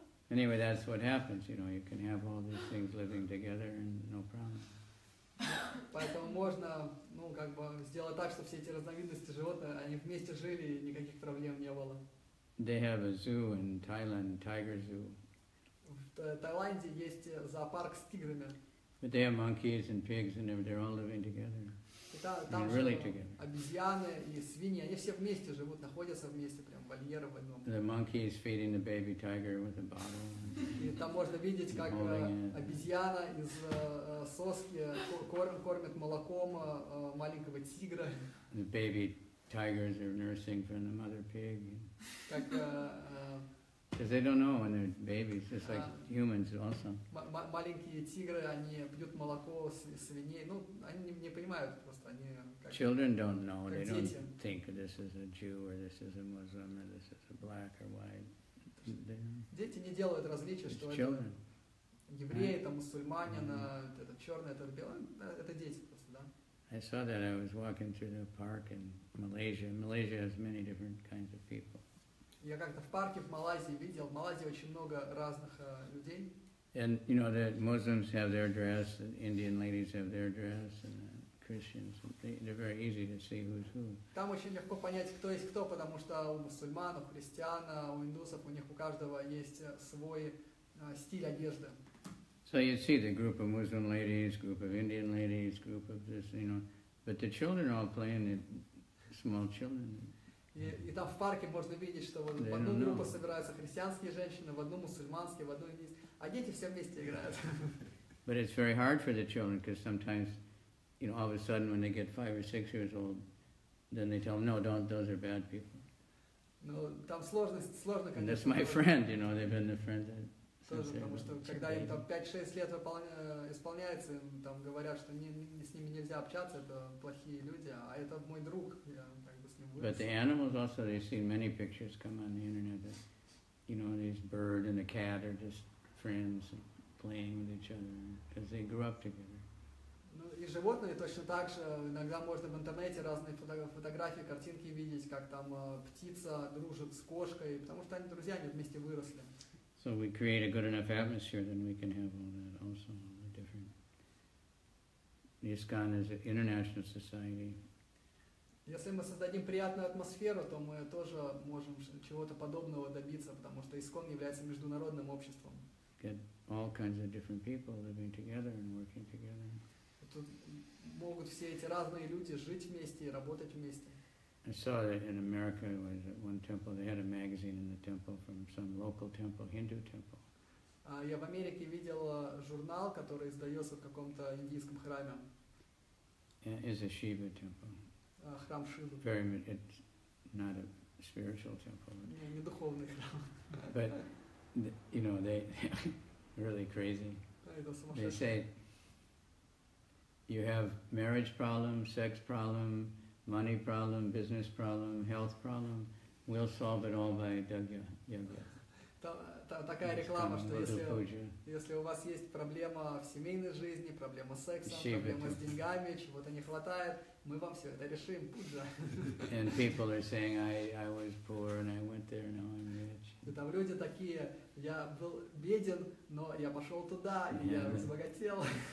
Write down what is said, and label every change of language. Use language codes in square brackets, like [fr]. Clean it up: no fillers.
[en] Anyway, that's what happens, you know, you can have all these things living together and no problem. [ru] Поэтому можно, ну, как бы, сделать так, чтобы все эти разновидности животных, они вместе жили, и никаких проблем не было. [en] They have a zoo in Thailand, tiger zoo. [ru] В Таиланде есть зоопарк с тиграми. [en] But they have monkeys and pigs and they're all living together. [ru] Там же обезьяны и свиньи, они все вместе живут, находятся вместе, прям вольеры в одном. [en] The monkey is feeding the baby tiger with a bottle. [ru] И там можно видеть, как обезьяна из соски кормит молоком маленького тигра. [en] The baby tigers are nursing from the mother pig. [ru] Как [en] Because they don't know when they're babies, just like humans also. [ru] Маленькие тигры, они пьют молоко свиней. Ну, они не понимают просто, они как. [en] Children don't know. They don't think this is a Jew or this is a Muslim or this is a black or white. [ru] Дети не делают различия, что это евреи, это мусульманин, это черный, это белый. Это дети просто, да. [en] I saw that I was walking through the park in Malaysia. Malaysia has many different kinds of people. [ru] Я как-то в парке в Малайзии видел. В Малайзии очень много разных людей. [en] And you know that Muslims have their dress, and Indian ladies have their dress, and Christians. They're very easy to see who's who. [ru] Там очень легко понять, кто есть кто, потому что у мусульман, у христиан, у индусов, у них у каждого есть свой стиль одежды. [en] So you see the group of Muslim ladies, group of Indian ladies, group of this, you know, but the children are all playing it, small children. [ru] И там в парке можно видеть, что вот в одну группу собираются христианские женщины, в одну мусульманские, в одну индийские, а дети все вместе играют. [en] But it's very hard for the children, because sometimes, you know, all of a sudden when they get 5 or 6 years old, then they tell them, no, don't, those are bad people. [ru] Ну, там сложность, сложно, конечно. [en] And that's my friend, you know, they've been the friend that... [ru] Тоже, потому что когда им там 5-6 лет исполняется, им там говорят, что с ними нельзя общаться, это плохие люди, а это мой друг, я как бы с ним вырос. [en] But the animals also, they've seen many pictures come on the internet that, you know, these bird and the cat are just friends playing with each other, because they grew up together. [ru] Ну и животные точно так же, иногда можно в интернете разные фотографии, картинки видеть, как там птица дружит с кошкой, потому что они друзья, они вместе выросли. [en] So we create a good enough atmosphere, then we can have all that also, all the different. ISKCON is an international society. [ru] Если мы создадим приятную атмосферу, то мы тоже можем чего-то подобного добиться, потому что ISKCON является международным обществом. [en] Get all kinds of different people living together and working together. [ru] Тут могут все эти разные люди жить вместе и работать вместе. [en] I saw that in America was at one temple, they had a magazine in the temple from some local temple, Hindu temple. [ru] Я в Америке видел журнал, который издается в каком-то индийском храме. [en] It's a Shiva temple. [ru] Храм Шивы. [en] Very much, it's not a spiritual temple. [ru] Не духовный храм. [en] But, you know, they really crazy. They say, you have marriage problem, sex problem, money problem, business problem, health problem, we'll solve it all by yoga. [ru] Такая реклама, что если у вас есть проблема в семейной жизни, проблема с сексом, проблема с деньгами, чего-то не хватает, мы вам все это решим, пуджа. [en] And people are saying, I was poor and I went there, now I'm rich. [ru] Там люди такие, я был беден, но я пошел туда, и я разбогател.